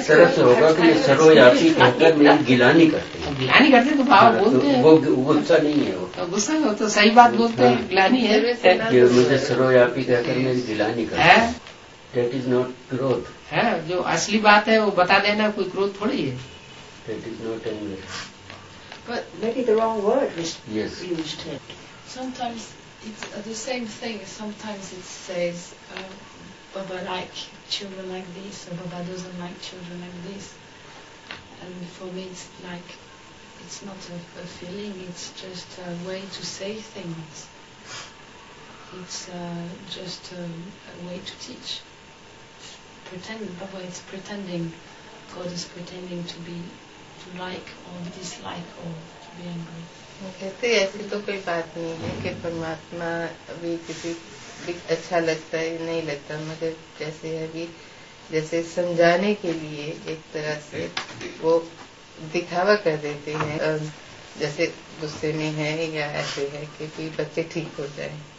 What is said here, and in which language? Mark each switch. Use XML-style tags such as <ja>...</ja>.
<hi>इस तरह से होगा कि सर्वव्यापी होकर मेरी गिला नहीं करते। गिला नहीं करते तो बाबा बोलते हैं वो गुस्सा नहीं है। वो गुस्सा हो तो सही बात बोलते हैं गिला नहीं है मुझे सर्वव्यापी कहकर मेरी गिला नहीं करते।</hi> <en>that is not क्रोध</en> <hi>है जो असली बात है वो बता देना कोई क्रोध थोड़ी है।</hi> <en>that is not anger but maybe the wrong word used sometimes it's the same thing sometimes it says Baba like children like this or Baba doesn't like children like this and for me it's like it's not a feeling it's just a way to say things it's just a way to teach pretend Baba is pretending God is pretending to be to like or dislike or to be angry</en> <hi>कहते ऐसी तो कोई बात नहीं है कि परमात्मा भी किसी भी अच्छा लगता है नहीं लगता मगर जैसे अभी जैसे समझाने के लिए एक तरह से वो दिखावा कर देते हैं जैसे गुस्से में है या ऐसे है कि बच्चे ठीक हो जाए।</hi>